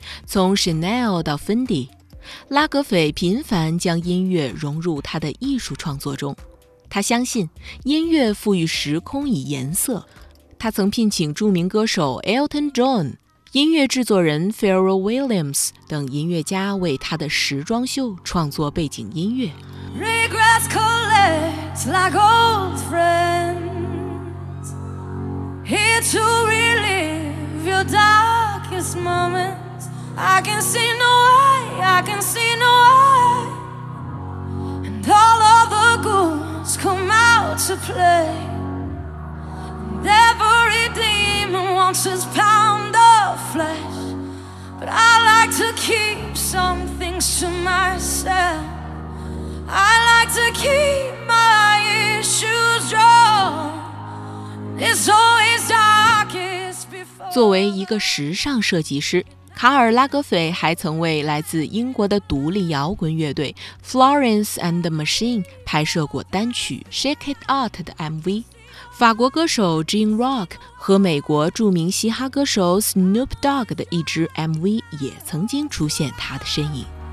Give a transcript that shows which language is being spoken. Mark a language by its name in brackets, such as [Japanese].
[Chinese] 从 Chanel 到 Fendi， 拉格斐频繁将音乐融入他的艺术创作中。他相信音乐赋予时空以颜色。他曾聘请著名歌手 Elton John、 音乐制作人 Pharrell Williams 等音乐家为他的时装秀创作背景音乐。 [English] Regrets collect like old friends, here to relive your darkest moments. I can see no eye, and all of the ghouls come out to play, and every demon wants his pound of flesh, but I like to keep some things to myselfI like to keep my issues drawn. It's always darkest before. [Chinese] 作为一个时尚设计师，卡尔拉格斐还曾为来自英国的独立摇滚乐队 Florence and the Machine 拍摄过单曲 Shake It Out 的 MV。法国歌手 Jim Rock 和美国著名嘻哈歌手 Snoop Dogg 的一支 MV 也曾经出现他的身影。